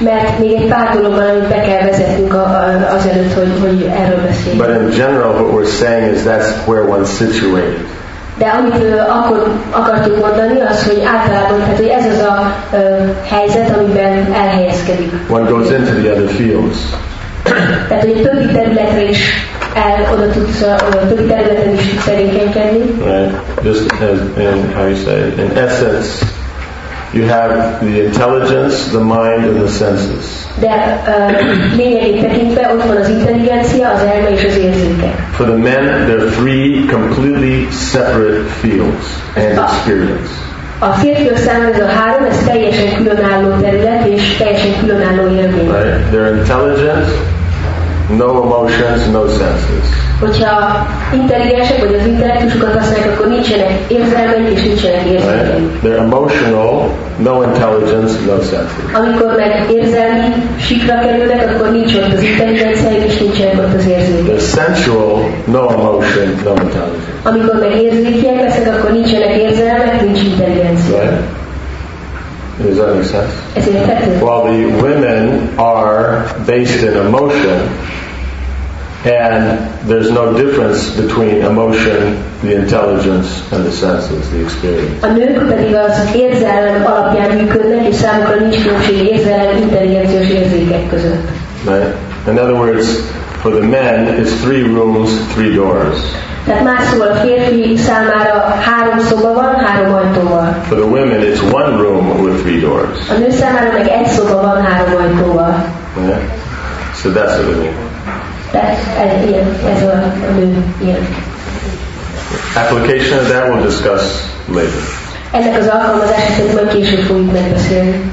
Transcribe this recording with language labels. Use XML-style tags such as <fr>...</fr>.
<en>But in general, what we're saying is that's where one's situated.</en> <hu>De amit akkor akartuk mondani, az, hogy általában, tehát hogy ez az a helyzet, amiben elhelyezkedik.</hu> <en>One goes into the other fields.</en> <hu>Tehát hogy többi területre is. Oda tudsz, többi területen is tudsz erékenykedni.</hu> <en>Right. Just as in, how you say it, in essence, you have the intelligence, the mind, and the senses.</en> <hu>De lényegét tekintve ott van az intelligencia, az elme és az érzékek.</hu> <en>For the men, there are three completely separate fields and experience.</en> <hu>A férfiak számára ez a három, ez teljesen különálló terület és teljesen különálló élmény.</hu> <en>Right. Their intelligence. No emotions, no senses.</en> <hu>Hogyha intelligensek vagy az intellektusukat használják, akkor nincsenek érzelmeik és nincsenek érzékeik.</hu> <en>They're emotional, no intelligence, no senses.</en> <hu>Amikor meg érzelmi síkra kerülnek, akkor nincs ott az intelligenciájuk és nincsenek ott az érzékeik.</hu> <en>They're sensual, no emotion, no intelligence.</en> <hu>Amikor meg érzékiek lesznek, akkor nincsenek érzelmek, nincs intelligencia.</hu> <en>Right. Does that make sense? Well, the women are based in emotion, and there's no difference between emotion, the intelligence, and the senses, the experience.</en> <hu>A nők pedig az érzelem alapján működnek, és számukra nincs különbség érzelem, intelligenciós érzékek között.</hu> <en>Right. In other words, for the men, it's three rooms, three doors.</en> <hu>Tehát más szóval a férfi számára három szoba van, három ajtóval.</hu> <en>For the women it's one room with three doors.</en> <hu>A nő számára meg egy szoba van, három ajtóval.</hu> <en>Yeah. So that's what I mean.</en> <hu>Tehát ez a nő, ilyen.</hu> <en>Application of that we'll discuss later.</en> <hu>Ennek az alkalmazását majd később fogjuk megbeszélni.</hu>